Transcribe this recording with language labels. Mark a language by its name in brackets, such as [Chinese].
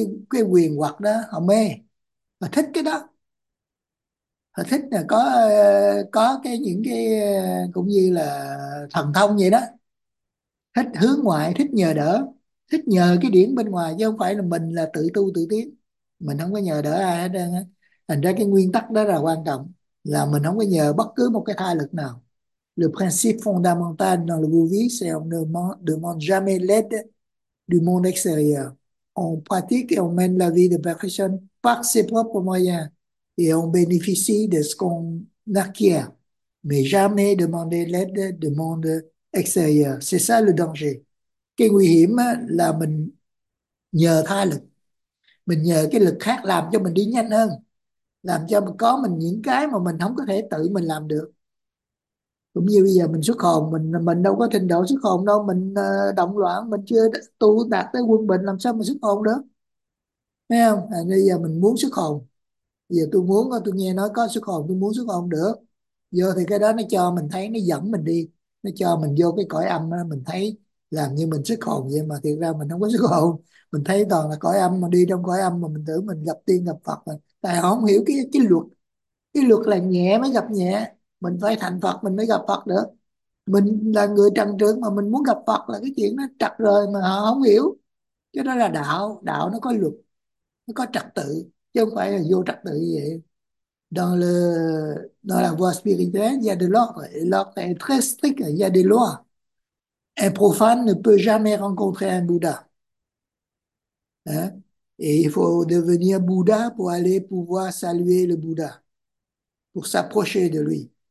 [Vietnamese] cái quyền hoặc đó họ mê, họ thích cái đó, họ thích là có cái những cái cũng như là thần thông vậy đó, thích hướng ngoại, thích nhờ đỡ, thích nhờ cái điển bên ngoài, chứ không phải là mình là tự tu tự tiến, mình không có nhờ đỡ ai hết trơn á. Thành ra cái nguyên tắc đó là quan trọng, là mình không có nhờ bất cứ một cái tha lực nào. [French] Le principe fondamental dans la vie, c'est on ne demande jamais l'aide du monde extérieur. On pratique et on mène la vie de perfection par ses propres moyens et on bénéficie de ce qu'on acquiert. Mais jamais demander l'aide du monde extérieur. C'est ça le danger. [Vietnamese] Cái nguy hiểm là mình nhờ tha lực, mình nhờ cái lực khác làm cho mình đi nhanh hơn, làm cho mình có mình những cái mà mình không có thể tự mình làm được. Cũng như bây giờ mình xuất hồn, mình đâu có trình độ xuất hồn đâu, mình động loạn, mình chưa tu đạt tới quân bình, làm sao mình xuất hồn được, thấy không? À, bây giờ mình muốn xuất hồn, bây giờ tôi muốn, tôi nghe nói có xuất hồn, tôi muốn xuất hồn được vô, thì cái đó nó cho mình thấy, nó dẫn mình đi, nó cho mình vô cái cõi âm đó, mình thấy làm như mình xuất hồn vậy, mà thiệt ra mình không có xuất hồn, mình thấy toàn là cõi âm, mà đi trong cõi âm mà mình tưởng mình gặp tiên gặp Phật rồi. Tại họ không hiểu cái luật là nhẹ mới gặp nhẹ, mình phải thành Phật mình mới gặp Phật được. Mình là người trần trượt mà mình muốn gặp Phật là cái chuyện nó trật rồi, mà họ không hiểu. Cái đó là đạo, đạo nó có luật, nó có trật tự, chứ không phải là vô trật tự như vậy. [French] Dans la voie spirituelle, il y a de l'ordre. L'ordre est très strict, il y a des lois. Un profane ne peut jamais rencontrer un Bouddha. Hein? Et il faut devenir Bouddha pour aller pouvoir saluer le Bouddha, pour s'approcher de lui.